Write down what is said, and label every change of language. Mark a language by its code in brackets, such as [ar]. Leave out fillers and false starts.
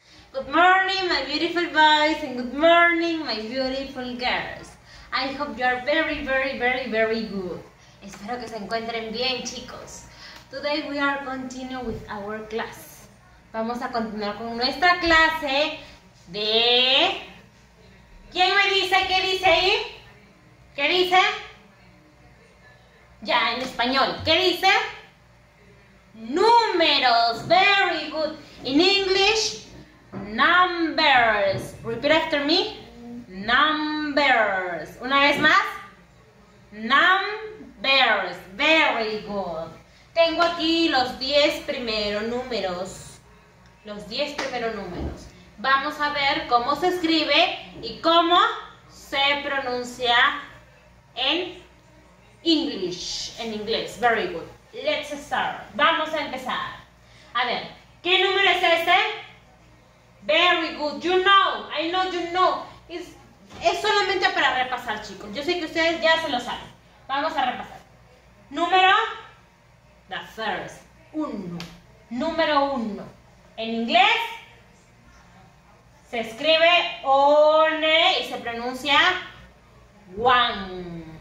[en] Good morning, my beautiful boys, and good morning, my beautiful girls. I hope you are very, very, very, very good. [es] Espero que se encuentren bien, chicos. [en] Today we are continuing with our class. [es] Vamos a continuar con nuestra clase de... ¿Quién me dice qué dice ahí? ¿Qué dice? Ya, en español. ¿Qué dice? Números. [en] Very good. In English... Numbers. Repeat after me. [es] Numbers. Una vez más. Numbers. [en] Very good. [es] Tengo aquí los 10 primeros números. Los 10 primeros números. Vamos a ver cómo se escribe y cómo se pronuncia en English. En inglés. [en] Very good. Let's start. [es] Vamos a empezar. A ver, ¿qué número es este? [en] Very good, you know, I know you know. [es] Es solamente para repasar, chicos. Yo sé que ustedes ya se lo saben. Vamos a repasar. Número, the first, uno. Número uno. En inglés, se escribe one y se pronuncia one.